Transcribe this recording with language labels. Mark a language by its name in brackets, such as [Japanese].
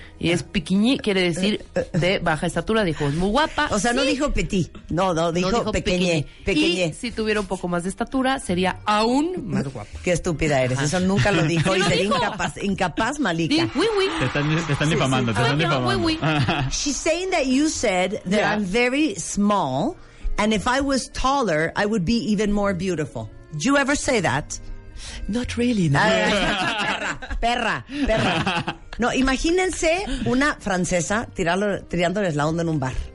[Spanish] Y es piquiñi, quiere decir de baja estatura, dijo, es muy guapa. O sea, sí, no dijo petit, no dijo pequeñe, pequeñe. Y si tuviera un poco más de estatura, sería aún más guapa. Qué estúpida eres, eso nunca lo dijo. Y sería incapaz, Malika. [French] Oui. [Spanish] Te están difamando, sí, sí. [English] She's saying that you said that, yeah, I'm very small. And if I was taller, I would be even more beautiful. Do you ever say that? Not really, no. [Spanish] Perra. No, imagínense una francesa tirándoles la onda en un bar.